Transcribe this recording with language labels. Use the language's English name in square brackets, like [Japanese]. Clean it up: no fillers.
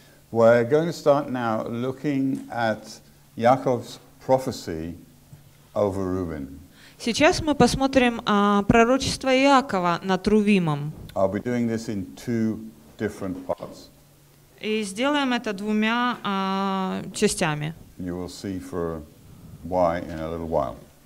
[English] We're going to start now looking at Yaakov's prophecy over Reuben. [Russian] Сейчас мы посмотрим пророчество Иакова над Рувимом. [English] I'll be doing this in two different parts. [Russian] И сделаем это двумя частями. [English] You will see for why in a little while.